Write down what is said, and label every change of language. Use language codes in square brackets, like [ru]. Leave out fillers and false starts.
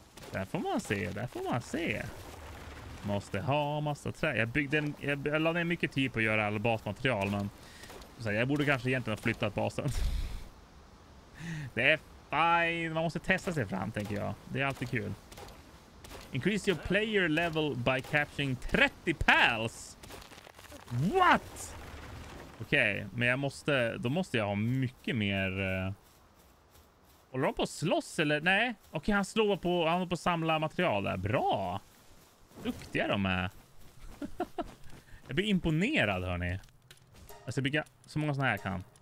[sv] Där får man se. Måste ha massa trä. Jag la ner mycket tid på att göra all basmaterial, men... Så jag borde kanske egentligen ha flyttat basen. Det är fine. Man måste testa sig fram, tänker jag. Det är alltid kul. [en] Increase your player level by capturing 30 pals. What? [sv] Okej, okay, men då måste jag ha mycket mer. Håller de på att slåss eller? Nej. Okej, okay, han håller på att samla material där. Bra. Duktiga de är. Jag blir imponerad, hörni. Jag ska bygga så många såna här jag kan.